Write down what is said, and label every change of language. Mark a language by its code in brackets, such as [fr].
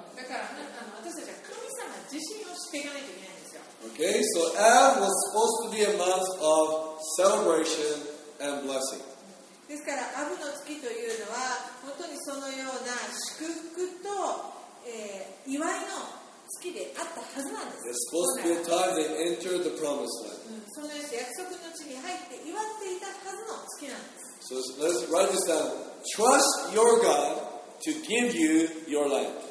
[ja] だから、私たちは神様自身を知っていかないといけないんですよ。 [en] OK? So Av was supposed to be a month of celebration and blessing. [ja] ですからアブの月というのは本当にそのような祝福と、祝いの月であったはずなんです。 [en] It's supposed to be a time they enter the promised land. [ja] そのように約束の地に入って祝っていたはずの月なんです。 [en] So let's write this down. Trust your God to give you your life.